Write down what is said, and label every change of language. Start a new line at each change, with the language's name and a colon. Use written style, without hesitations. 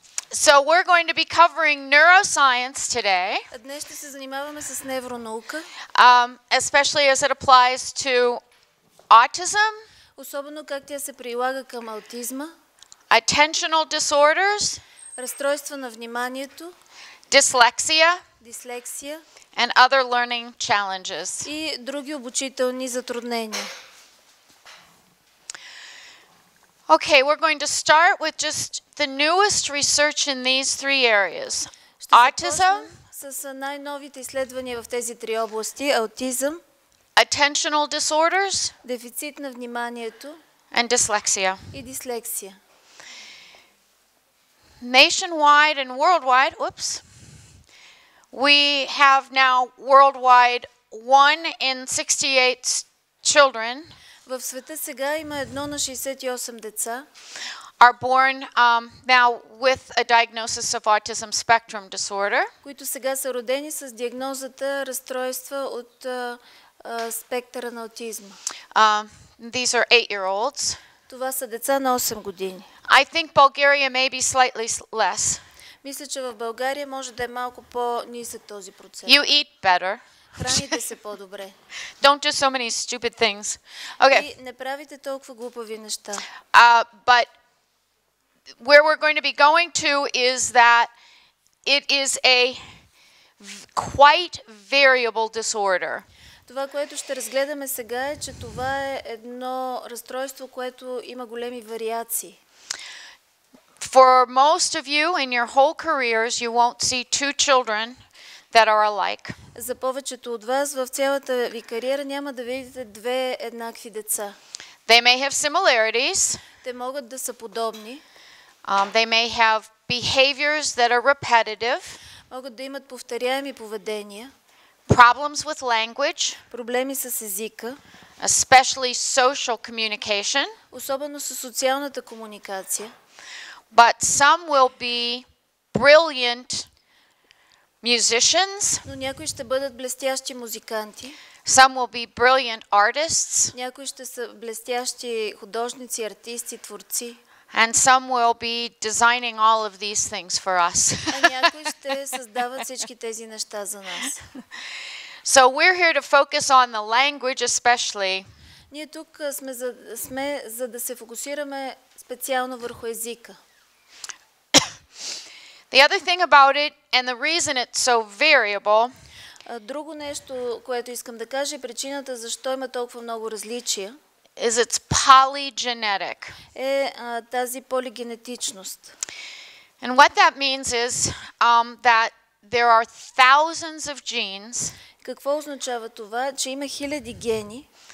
English: So we're going to be covering neuroscience today.
Bulgarian: Днес ще се занимаваме с невронаука.
English: Especially as it applies to autism.
Bulgarian: Особено как тя се прилага към аутизма.
English: Attentional disorders.
Bulgarian: Разстройства на вниманието.
English: Dyslexia.
Bulgarian: Дислексия.
English: And other learning challenges.
Bulgarian: И други обучителни затруднения.
English: Okay, we're going to start with just the newest research in these three areas. Autism,
Bulgarian: най-новите изследвания в тези три области, аутизъм,
English: attentional disorders,
Bulgarian: дефицит на вниманието,
English: and dyslexia.
Bulgarian: И дислексия.
English: Nationwide and worldwide, oops. We have now worldwide 1 in 68 children.
Bulgarian: В света сега има 1 на 68 деца.
English: Are born now with a diagnosis of autism spectrum disorder.
Bulgarian: Които сега са родени с диагнозата разстройства от спектъра на аутизма.
English: These are 8-year-olds.
Bulgarian: Това са деца на 8 години.
English: I think Bulgaria may be slightly less.
Bulgarian: Мисля, че в България може да е малко по-нисък този процент.
English: You eat better.
Bulgarian: Храните се по-добре.
English: Don't do so many stupid things. Okay.
Bulgarian: И не правите толкова глупави неща.
English: But where we're going to be going to is that it is a quite variable disorder.
Bulgarian: Това, което ще разгледаме сега е, че това е едно разстройство, което има големи вариации.
English: For most of you in your whole careers, you won't see two children that are alike.
Bulgarian: За повечето от вас в цялата ви кариера няма да видите две еднакви деца.
English: They may have similarities.
Bulgarian: Те могат да са подобни.
English: They may have behaviors that are repetitive.
Bulgarian: Могат да имат повторяеми поведения.
English: Problems with language.
Bulgarian: Проблеми с езика.
English: Especially social communication.
Bulgarian: Особено с социалната комуникация.
English: But some will be brilliant musicians.
Bulgarian: Но някои ще бъдат блестящи музиканти.
English: Some will be brilliant artists.
Bulgarian: Някои ще са блестящи художници, артисти, творци.
English: And some will be designing all of these things for us.
Bulgarian: А някои ще създават всички тези неща за нас.
English: So we're here to focus on the language especially.
Bulgarian: Ние тук сме за да се фокусираме специално върху езика.
English: The other thing about it and the reason it's so variable.
Bulgarian: Друго нещо, което искам да кажа, причината защо има толкова много различия.
English: Is it's polygenetic.
Bulgarian: Е тази полигенетичност.
English: And what that means is that there are thousands of genes.
Bulgarian: Какво означава това, че има хиляди гени?